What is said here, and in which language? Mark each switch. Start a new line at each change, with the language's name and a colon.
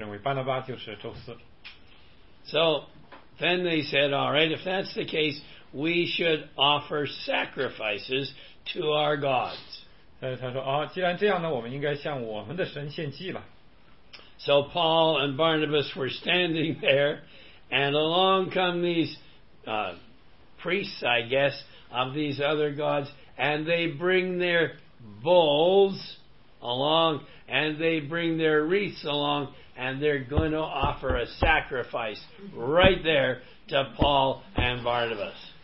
Chinese: 他觉得领头的那就应该是宙斯了，宙斯是他们的希腊诸神里面那个头，所以他们就认为巴拿巴就是宙斯。
English: So then they said, "All right, if that's the case, we should offer sacrifices to our gods."
Chinese: 他说，既然这样呢，我们应该向我们的神献祭了。
English: So Paul and Barnabas were standing there, and along come these priests, I guess, of these other gods. And they bring their bulls along, and they bring their wreaths along, and they're going to offer a sacrifice right there to Paul and Barnabas.